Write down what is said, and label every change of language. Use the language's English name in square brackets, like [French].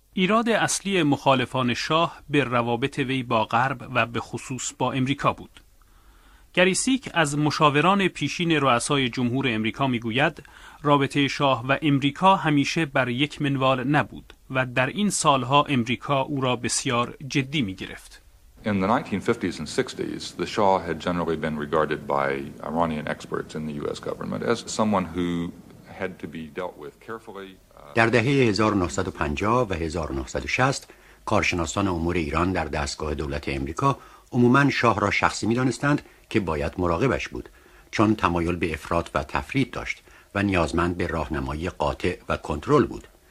[Persian] ایراد اصلی مخالفان شاه به روابط وی با غرب و به خصوص با امریکا بود. گریسیک از مشاوران پیشین رؤسای جمهور امریکا می‌گوید رابطه شاه و امریکا همیشه بر یک منوال نبود و در این سالها امریکا او را بسیار جدی می‌گرفت. [English] In the 1950s and 60s, the Shah had generally been regarded by Iranian experts in the U.S. government as someone who had to be dealt with carefully. [Persian] در دهه 1950 و 1960، کارشناسان امور ایران در دستگاه دولت امریکا عموماً شاه را شخصی می‌دانستند که باید مراقبش بود، چون تمایل به افراط و تفریط داشت و نیازمند به راهنمایی قاطع و کنترل بود.